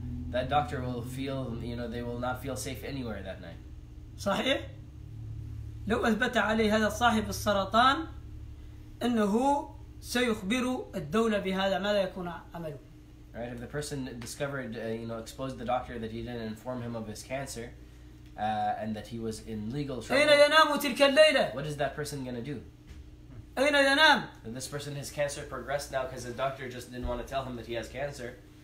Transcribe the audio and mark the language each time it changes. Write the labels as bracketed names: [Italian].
[English] That doctor will feel, they will not feel safe anywhere that night. [Arabic] صحيح؟ لو أثبت عليه هذا صاحب السرطان أنه سيخبر الدولة بهذا ماذا يكون عمله؟ [English] Right, if the person discovered, exposed the doctor that he didn't inform him of his cancer, and that he was in legal trouble. [Arabic] أين ينام تلك الليلة؟ [English] What is that person gonna do? [Arabic] أين ينام؟ [English] And this person, his cancer progressed now because the doctor just didn't want to tell him that he has cancer.